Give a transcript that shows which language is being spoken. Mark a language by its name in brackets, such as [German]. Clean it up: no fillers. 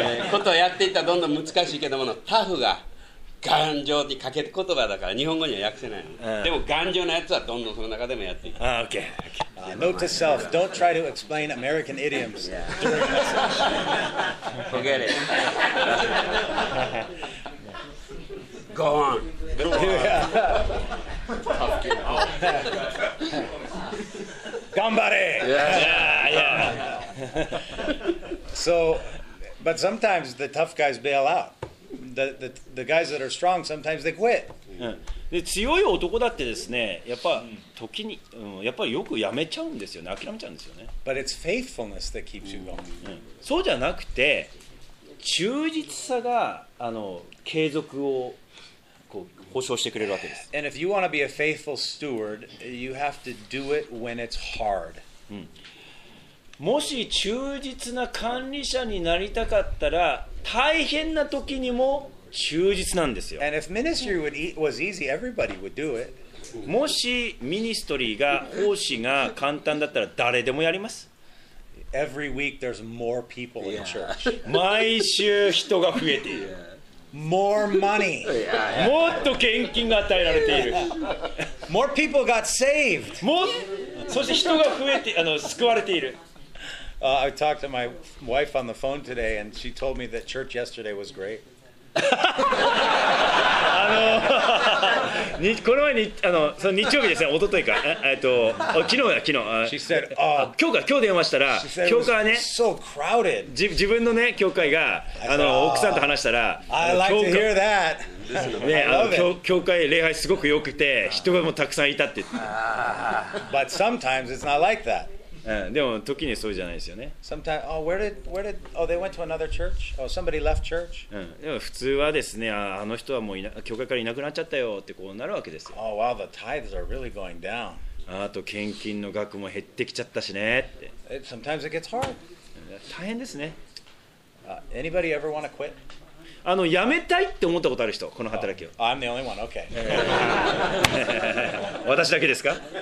[Japanese] ことをやっていったらどんどん難しいけどものタフが頑丈にかけて言葉だから日本語には訳せないの、うん、でも頑丈なやつはどんどんその中でもやっていく、 [English] ah, okay. Okay. Note to self, don't try to explain American idioms during the session. Forget it. Go on. Go on. [Japanese] Gambare! [English] Yeah. So, but sometimes the tough guys bail out. The guys that are strong sometimes they quit. [Japanese] で強い男だってですね、やっぱ時に、うん、やっぱりよくやめちゃうんですよね、諦めちゃうんですよね。 [English] But it's faithfulness that keeps you going. [Japanese] そうじゃなくて忠実さが継続をこう保証してくれるわけです。 [English] And if you want to be a faithful steward, you have to do it when it's hard. [Japanese] もし忠実な管理者になりたかったら、大変な時にも忠実なんですよ。 [English] And if ministry was easy, everybody would do it. [Japanese] もしミニストリーが奉仕が簡単だったら誰でもやります。 [English] Every week there's more people in church. [Japanese] 毎週人が増えている。 [English] More money. [Japanese] もっと献金が与えられている。 [English] More people got saved. [Japanese] そして人が増えて、救われている。 [English] I talked to my wife on the phone today and she told me that church yesterday was great. [Japanese] この前に、その日曜日ですね、おとといか、昨日。 [English] She said, [Japanese] 今日電話したら、教会はね、 [English] so crowded. [Japanese] 自分のね、教会が、奥さんと話したら、 [English] I like to hear that. [Japanese] ね、教会礼拝すごく良くて、人がもうたくさんいたって。 [English] But sometimes it's not like that. [Japanese] でも時にそうじゃないですよね。 [English] Sometimes, oh, where did they went to another church? Oh, somebody left church? [Japanese] でも普通はですね、あの人はもう教会からいなくなっちゃったよってこうなるわけですよ。 [English] Oh, wow, the tithes are really going down. [Japanese] あと献金の額も減ってきちゃったしねって。 [English] Sometimes it gets hard. [Japanese] 大変ですね。 [English] Anybody ever want to quit? [Japanese] やめたいって思ったことある人、この働きを。 [English] Oh, I'm the only one, okay. [Japanese] 私だけですか？